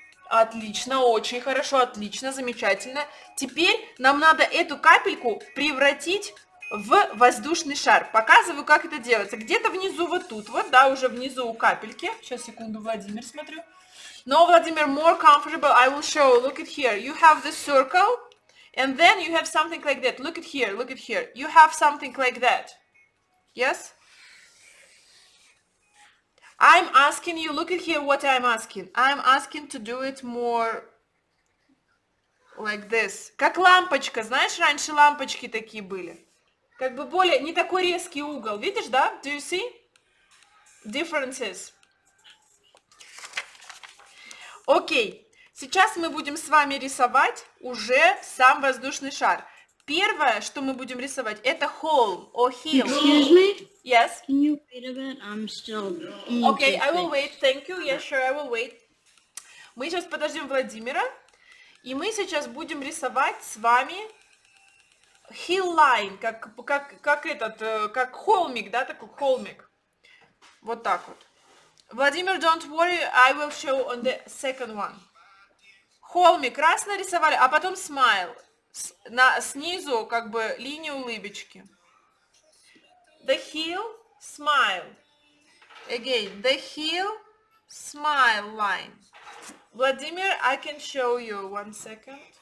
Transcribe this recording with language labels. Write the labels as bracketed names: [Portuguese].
[Russian] Отлично, очень хорошо, отлично, замечательно. Теперь нам надо эту капельку превратить в воздушный шар. Показываю, как это делается. Где-то внизу вот тут, вот, да, уже внизу у капельки. Сейчас, секунду, Владимир смотрю. [English] No, Владимир, more comfortable, I will show. Look at here. You have the circle, and then you have something like that. Look at here, look at here. You have something like that. Yes? I'm asking you, look at here what I'm asking. I'm asking to do it more like this. [Russian] Как лампочка, знаешь, раньше лампочки такие были. Как бы более, не такой резкий угол. Видишь, да? [English] Do you see differences? [Russian] Окей, сейчас мы будем с вами рисовать уже сам воздушный шар. Первое, что мы будем рисовать, это холм, [English] or hill. Excuse me? Yes? Can you wait a bit? I'm still... Okay, I will wait, thank you. Yes, sure, I will wait. [Russian] Мы сейчас подождем Владимира, и мы сейчас будем рисовать с вами [English] hill line, [Russian] как этот, как холмик, да, такой холмик. Вот так вот. [English] Владимир, don't worry, I will show on the second one. [Russian] Холмик, раз нарисовали, а потом [English] smile. [Russian] На снизу как бы линию улыбочки. [English] The hill smile. Again, the hill smile line. Владимир, I can show you one second.